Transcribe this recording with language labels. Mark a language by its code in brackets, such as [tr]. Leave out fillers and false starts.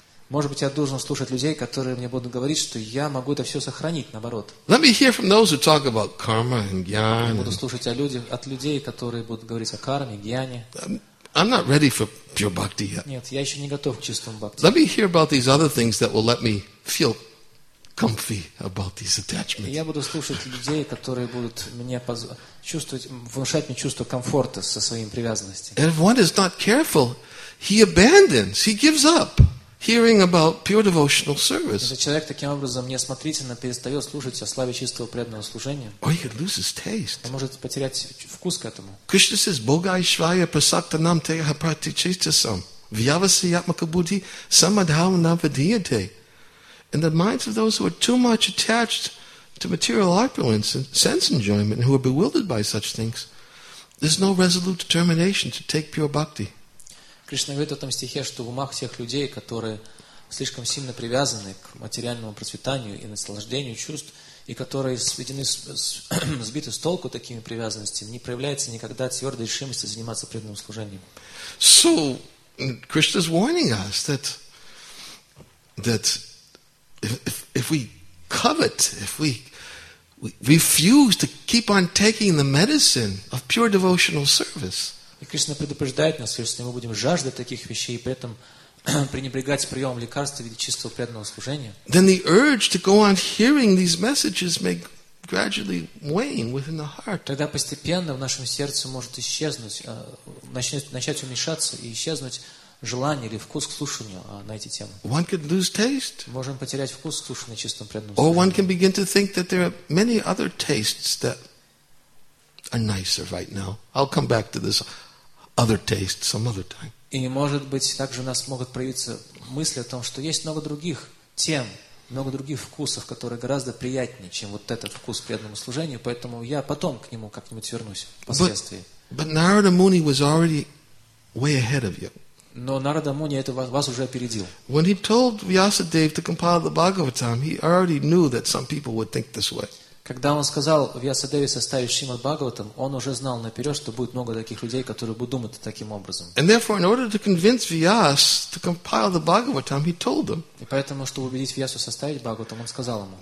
[ru] Может быть, я должен слушать людей, которые мне будут говорить, что я могу это все сохранить, наоборот. [en] Let me hear from those who talk about karma and gyan. [ru] Буду слушать о людях, от людей, которые будут говорить о карме, гьяне. [en] I'm not ready for pure bhakti yet. [ru] Нет, я еще не готов к чистому бхакти. [en] Let me hear about these other things that will let me feel comfy about these attachments. [ru] Я буду слушать людей, которые будут меня чувствовать, внушать мне чувство комфорта со своими привязанностями. [en] And if one is not careful, he abandons, he gives up hearing about pure devotional service. [ru] Если человек таким образом неосмотрительно перестает слушать о славе чистого преданного служения, [en] or he could lose his taste. [ru] Он может потерять вкус к этому. [en] Krishna says, [sa] "Bogai shvaya prasakta nam teha prati chistasam vyavasi yatmakabuddhi samadhava navadhiyate." [en] In the minds of those who are too much attached to material opulence and sense enjoyment, and who are bewildered by such things, there's no resolute determination to take pure bhakti. [ru] Кришна говорит в этом стихе, что в умах всех людей, которые слишком сильно привязаны к материальному процветанию и наслаждению чувств, и которые сведены, сбиты с толку такими привязанностями, не проявляется никогда твердой решимости заниматься преданным служением. [en] So, Krishna's warning us that if we covet, if we refuse to keep on taking the medicine of pure devotional service, [ru] и Кришна предупреждает нас, если мы будем жаждать таких вещей и при этом пренебрегать приемом лекарств в виде чистого преданного служения, [en] then the urge to go on hearing these messages may gradually wane within the heart. [ru] Тогда постепенно в нашем сердце может исчезнуть, начать уменьшаться и исчезнуть желание или вкус к слушанию на эти темы. [en] One can lose taste. [ru] Можем потерять вкус к слушанию на чистом преданном служении. [en] Or one can begin to think that there are many other tastes that are nicer right now. I'll come back to this other taste some other time. [ru] И, может быть, также у нас могут проявиться мысли о том, что есть много других тем, много других вкусов, которые гораздо приятнее, чем вот этот вкус к преданному служению, поэтому я потом к нему как-нибудь вернусь впоследствии. [en] But Narada Muni was already way ahead of you. [ru] Но Нарада Муни это вас уже опередил. [en] When he told Vyasadeva to compile the Bhagavatam, he already knew that some people would think this way. [ru] Когда он сказал Вьясадеве составить Шримад Бхагаватам, он уже знал наперед, что будет много таких людей, которые будут думать таким образом. [en] And therefore, in order to convince Vyas to compile the Bhagavatam, he told them. [ru] И поэтому, чтобы убедить Вьясу составить Бхагаватам, он сказал ему.